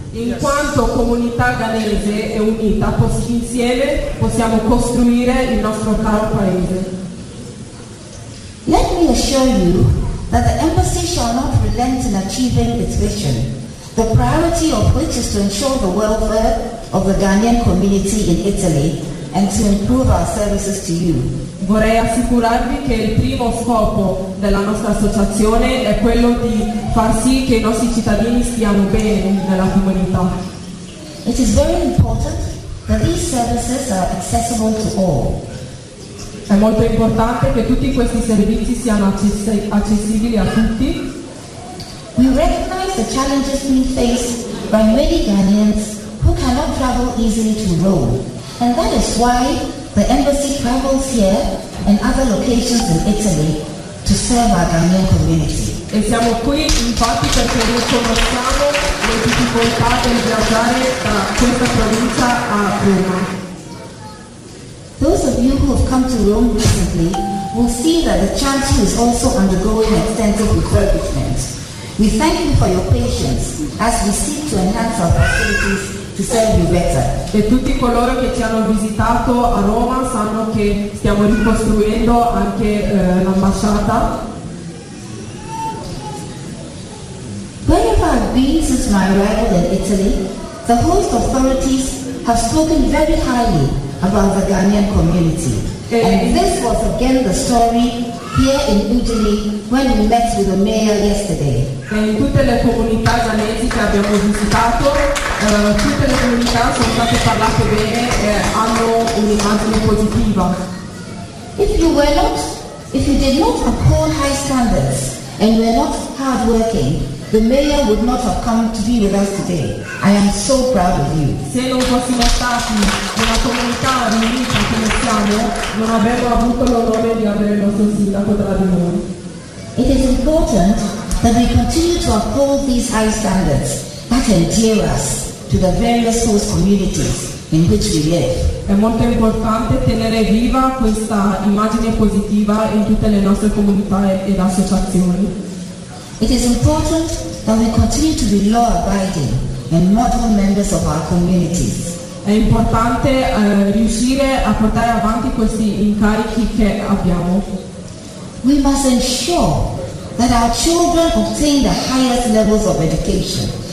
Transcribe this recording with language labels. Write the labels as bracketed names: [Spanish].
[Italian] In quanto comunità ghanese è unita, insieme possiamo costruire il nostro caro paese. [English] Let me assure you that the embassy shall not relent in achieving its vision, the priority of which is to ensure the welfare of the Ghanaian community in Italy and to improve our services to you. [Italian] Vorrei assicurarvi che il primo scopo della nostra associazione è quello di far sì che i nostri cittadini stiano bene nella comunità. [English] It is very important that these services are accessible to all. [Italian] È molto importante che tutti questi servizi siano accessibili a tutti. [English] We recognize the challenges being faced by many Ghanaians who cannot travel easily to Rome, and that is why the embassy travels here and other locations in Italy to serve our Ghanaian community. [Italian] E siamo qui infatti perché riconosciamo le difficoltà del viaggiare da questa provincia a Roma. [English] Those of you who have come to Rome recently will see that the chancel is also undergoing extensive refurbishment. We thank you for your patience as we seek to enhance our facilities to serve you better. [Italian] E tutti coloro che ci hanno visitato a Roma sanno che stiamo ricostruendo anche l'ambasciata. [English] Wherever I've been since my arrival in Italy, the host authorities have spoken very highly about the Ghanaian community. And this was again the story here in Italy when we met with the mayor yesterday. [Italian] E in tutte le comunità ghanesi che abbiamo visitato, tutte le comunità sono state parlate bene e hanno un'immagine positiva. [English] If you did not uphold high standards and you were not hardworking, the mayor would not have come to be with us today. I am so proud of you. [Italian] Se non fossimo stati nella comunità riunita come siamo, non avremmo avuto l'onore di avere il nostro sindaco tra di noi. [English] It is important that we continue to uphold these high standards that endear us to the various host communities in which we live. [Italian] È molto importante tenere viva questa immagine positiva in tutte le nostre comunità ed associazioni. [English] It is important that we continue to be law-abiding and model members of our communities. [Italian] È importante riuscire a portare avanti questi incarichi che abbiamo. [English] We must ensure that our children obtain the highest levels of education.